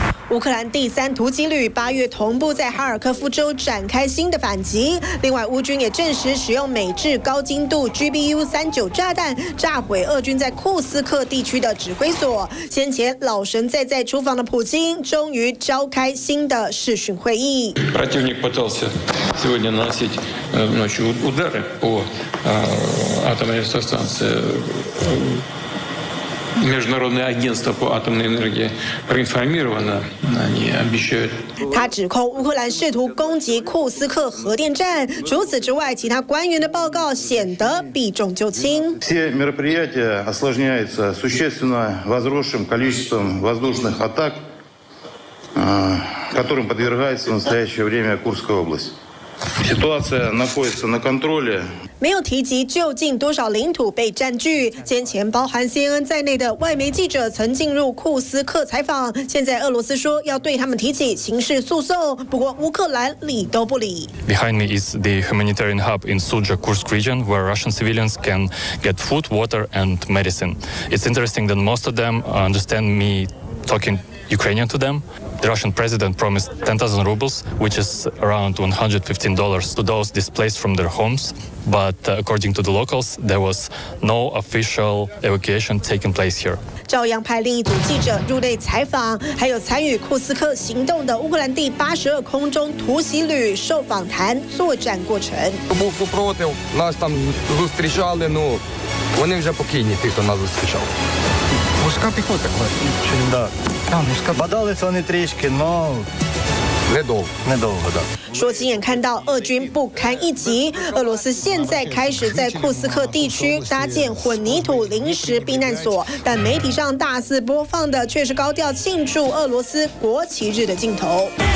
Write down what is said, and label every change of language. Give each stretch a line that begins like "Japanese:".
Chinese: 乌克兰第三突击旅8月同步在哈尔科夫州展开新的反击。另外，乌军也证实使用美制高精度 GBU-39 炸弹炸毁俄军在库斯克地区的指挥所。先前老神在在厨房的普京终于召开新的视讯会议。
Russian: противник пытался сегодня наносить ночью удары по атомной электростанции. Международное агентство по атомной энергии проинформировано. Они обещают.
Chinese: 他指控乌克兰试图攻击库斯克核电站。除此之外，其他官员的报告显得避重就轻。
Russian: Все мероприятия осложняются существенно возросшим количеством воздушных атак, которым подвергается в настоящее время Курская область. Ситуация находится на контроле.
Chinese: 没有提及究竟多少领土被占据。先前包含 CNN 在内的外媒记者曾进入库斯克采访，现在俄罗斯说要对他们提起刑事诉讼，不过乌克兰理都不理。
English: Behind me is the humanitarian hub in Sudzha Kursk region where Russian civilians can get food, water and medicine. It's interesting that most of them understand me talking. Ukrainian to them. The Russian president promised 10,000 rubles, which is around $115, to those displaced from their homes. But according to the locals, there was no official evacuation taking place here.
Chinese: 照样派另一组记者入内采访，还有参与库斯克行动的乌克兰第82空中突袭旅受访谈作战过程。
Ukrainian: Був супротив, нас там зустрічали, ну, вони вже покійні, тих, хто нас зустрічав. Мужка піхота, класно. Да. Там мужка. Бодались вони трішки, но... Недовго, да.
Chinese: 说亲眼看到俄军不堪一击，俄罗斯现在开始在库斯克地区搭建混凝土临时避难所，但媒体上大肆播放的却是高调庆祝俄罗斯国旗日的镜头。